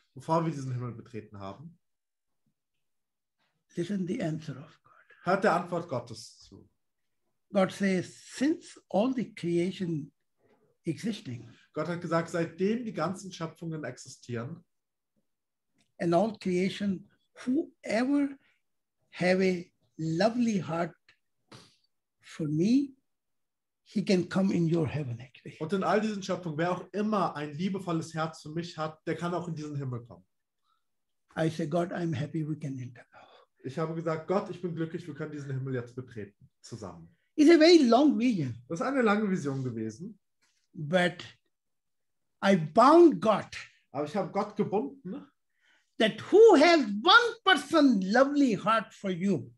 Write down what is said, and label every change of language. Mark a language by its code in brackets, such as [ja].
[de] Bevor wir diesen Himmel betreten haben. [en] Listen the answer of God. [de] Hört der Antwort Gottes zu. [en] God says, since all the creation existing. [de] Gott hat gesagt, seitdem die ganzen Schöpfungen existieren. [en] And all creation, whoever have a lovely heart for me, he can come in your heaven actually. [de] Und in all diesen Schöpfungen, wer auch immer ein liebevolles Herz für mich hat, der kann auch in diesen Himmel kommen. [en] I say, God, I'm happy we can enter now. [de] Ich habe gesagt, Gott, ich bin glücklich, wir können diesen Himmel jetzt betreten, zusammen. [en] It's a very long vision. [de] Das ist eine lange Vision gewesen. [en] But I bound God. [de] Aber ich habe Gott gebunden. [en] That who has 1% lovely heart for you.